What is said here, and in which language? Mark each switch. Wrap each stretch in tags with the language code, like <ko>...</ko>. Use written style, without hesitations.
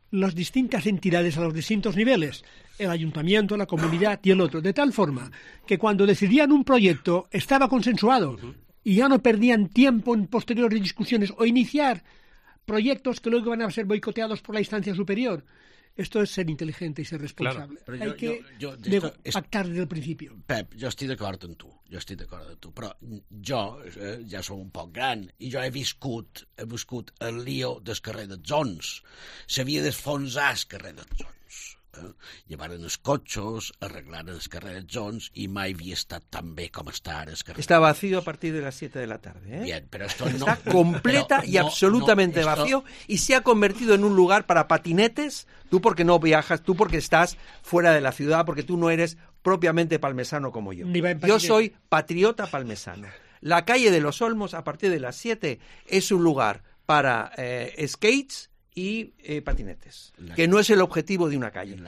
<es>las distintas entidades a los distintos niveles, el ayuntamiento, la comunidad y el otro, de tal forma que cuando decidían un proyecto estaba consensuado y ya no perdían tiempo en posteriores discusiones o iniciar proyectos que luego iban a ser boicoteados por la instancia superior. Esto es ser inteligente y ser responsable. Claro, pero hay pactar desde el principio.</es> <ca>Pep, jo estic d'acord amb tu. Jo estic d'acord amb tu. Però jo ja som un poc gran i jo he viscut el lío del carrer de Jones. S'havia d'esfonsar el carrer de Jones. Llevaren els cotxos, arreglaren el carrer de Jones i mai havia estat tan bé com està ara el carrer. Està vacío a partir de les 7 de la tarda. ¿Eh?</ca> <es>Bien, però esto no...</es> <ca>Està completa i absolutament vacío i s'ha convertit en un lugar per a patinetes.</ca> <es>Tú porque no viajas, tú porque estás fuera de la ciudad, porque tú no eres propiamente palmesano como yo. Yo soy patriota palmesano. La calle de los Olmos, a partir de las 7, es un lugar para skates y patinetes, que no es el objetivo de una calle.</es>